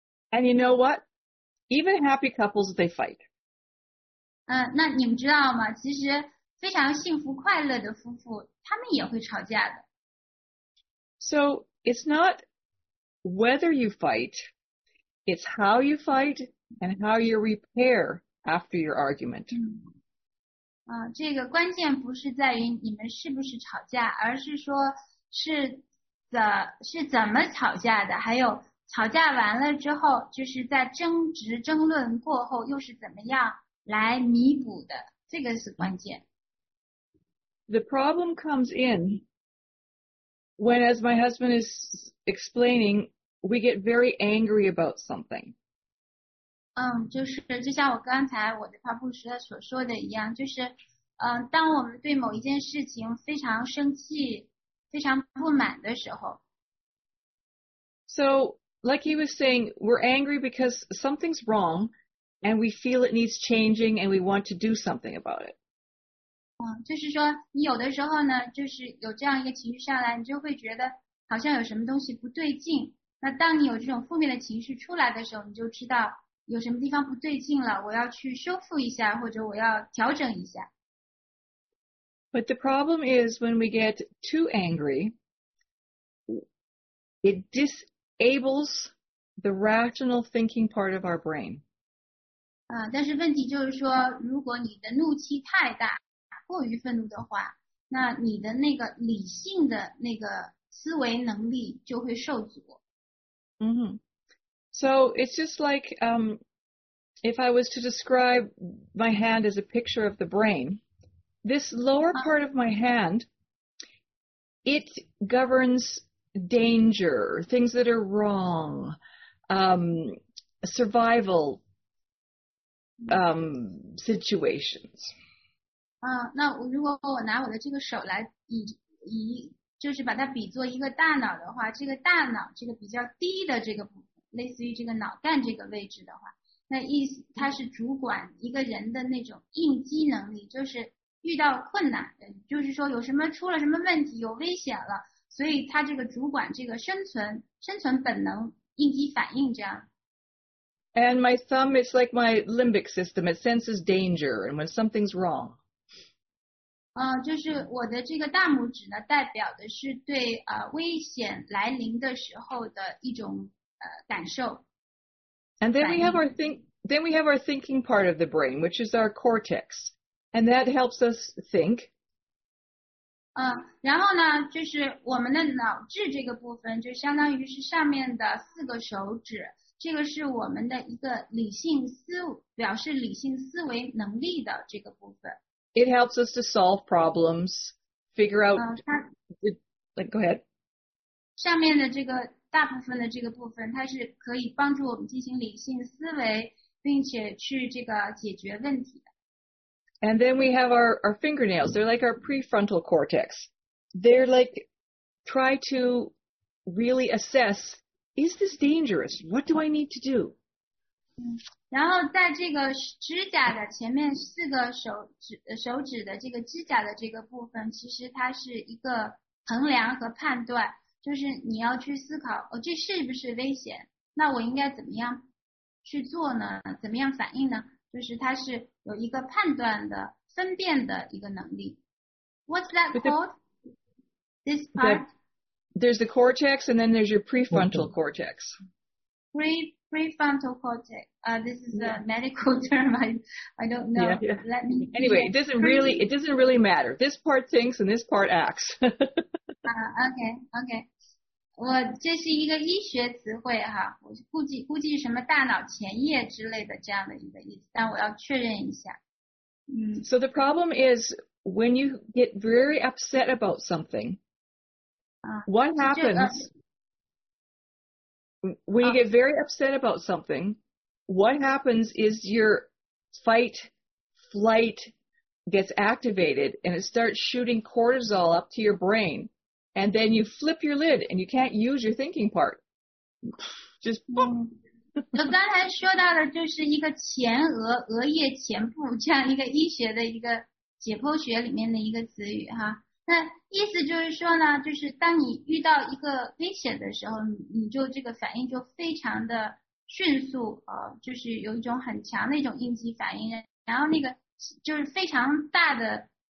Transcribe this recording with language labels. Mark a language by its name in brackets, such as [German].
[English] And you know what? Even happy couples, they fight. [Chinese] 那你们知道吗？其实非常幸福快乐的夫妇，他们也会吵架的。 [English] So it's not whether you fight, it's how you fight. And how you repair after your argument. [Chinese] 这个关键不是在于你们是不是吵架，而是说是怎么吵架的，还有吵架完了之后，就是在争执争论过后又是怎么样来弥补的，这个是关键。 [English] The problem comes in when, as my husband is explaining, we get very angry about something. [Chinese] 就是就像我刚才我的发布时所说的一样，就是当我们对某一件事情非常生气，非常不满的时候。 [English] So, like he was saying, we're angry because something's wrong, and we feel it needs changing, and we want to do something about it. [Chinese] 就是说你有的时候呢，就是有这样一个情绪上来，你就会觉得好像有什么东西不对劲。那当你有这种负面的情绪出来的时候，你就知道有什么地方不对劲了，我要去修复一下，或者我要调整一下。 [English] But the problem is when we get too angry, it disables the rational thinking part of our brain. [Chinese] 但是问题就是说，如果你的怒气太大，过于愤怒的话，那你的那个理性的那个思维能力就会受阻。 [English] So it's just like if I was to describe my hand as a picture of the brain, this lower part of my hand, it governs danger, things that are wrong, survival situations. [Chinese] 那如果我拿我的这个手来以就是把它比作一个大脑的话，这个大脑这个比较低的这个部分。类似于这个脑干这个位置的话，那意思它是主管一个人的那种应激能力，就是遇到困难，就是说有什么出了什么问题，有危险了，所以它这个主管这个生存本能应激反应这样。 [English] And my thumb is like my limbic system. It senses danger, and when something's wrong. [Chinese] 就是我的这个大拇指呢，代表的是对危险来临的时候的一种。感受。 [English] And then we have our thinking part of the brain, which is our cortex, and that helps us think. [Chinese] 然后呢，就是我们的脑质这个部分，就相当于是上面的四个手指，这个是我们的一个理性思，表示理性思维能力的这个部分。 [English] It helps us to solve problems, figure out. Go ahead. [Chinese] 上面的这个大部分的这个部分，它是可以帮助我们进行理性思维，并且去这个解决问题的。 [English] And then we have our fingernails. They're like our prefrontal cortex. They're like, try to really assess, is this dangerous? What do I need to do? [Chinese] 然后在这个指甲的前面四个手指的这个指甲的这个部分，其实它是一个衡量和判断，就是你要去思考，哦，这是不是危险？那我应该怎么样去做呢？怎么样反应呢？就是它是有一个判断的分辨的一个能力。 [English] What's that called? This part? There's the cortex and then there's your prefrontal cortex. Prefrontal cortex. This is a medical term. I don't know. Yeah. Let me. Anyway, it doesn't really matter. This part thinks and this part acts. okay. [Chinese] 我这是一个医学词汇哈，我估计什么大脑前叶之类的这样的一个意思，但我要确认一下。 [English] So the problem is when you get very upset about something, what happens? When you get very upset about something, what happens is your fight, flight gets activated and it starts shooting cortisol up to your brain. And then you flip your lid and you can't use your thinking part. Just boom. [Chinese] 我刚才说到的就是一个前额，额叶前部这样一个医学的一个解剖学里面的一个词语哈。那意思就是说呢，就是当你遇到一个危险的时候，你就这个反应就非常的迅速，就是有一种很强的一种应激反应，然后那个就是非常大的